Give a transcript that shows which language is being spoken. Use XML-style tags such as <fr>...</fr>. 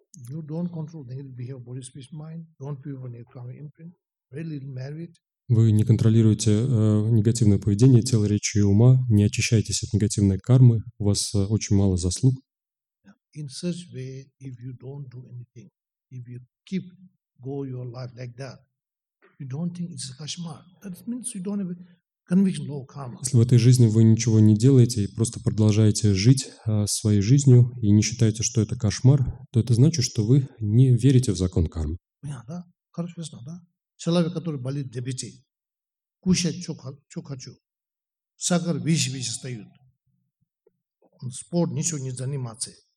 <en>You don't control negative behavior, body, speech, mind, don't feel any karma imprint, very little merit.</en> <ru>Вы не контролируете негативное поведение тела, речи и ума, не очищаетесь от негативной кармы, у вас очень мало заслуг.</ru> <en>In such way, if you don't do anything, if you keep go your life like that, you don't think it's a kashma. That means you don't have conviction, low karma.</en> <ru>Если в этой жизни вы ничего не делаете и просто продолжаете жить своей жизнью и не считаете, что это кошмар, то это значит, что вы не верите в закон кармы. Понятно, да? Хорошо, ясно, да? Человек, который болит диабетом, кушать что хочу, сахар вещи стоит, спорт ничего не занимается.</ru>